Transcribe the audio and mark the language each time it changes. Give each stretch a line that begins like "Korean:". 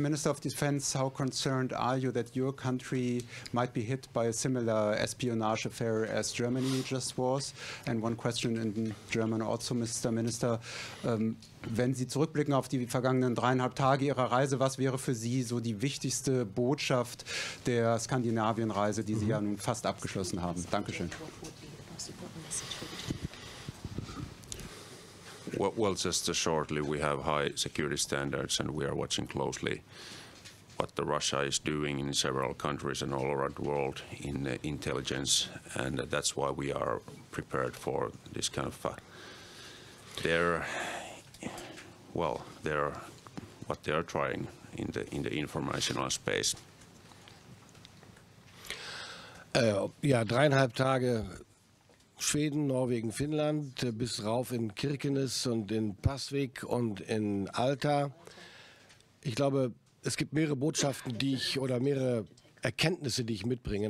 English: Minister of Defense, how concerned are you that your country might be hit by a similar espionage affair as Germany just was? And one question in German also, Mr. Minister.
German: Wenn Sie zurückblicken auf die vergangenen 3,5 Tage Ihrer Reise, was wäre für Sie so die wichtigste Botschaft der Skandinavienreise, die Sie ja nun fast abgeschlossen haben? Dankeschön.
English: Well, just shortly, we have high security standards and we are watching closely what the Russia is doing in several countries and all around the world in intelligence, and that's why we are prepared for this kind of what they are trying in the informational space.
German: Dreieinhalb Tage Schweden, Norwegen, Finnland, bis rauf in Kirkenes und in Pasvik und in Alta. Ich glaube, es gibt mehrere Botschaften, mehrere Erkenntnisse, die ich mitbringe.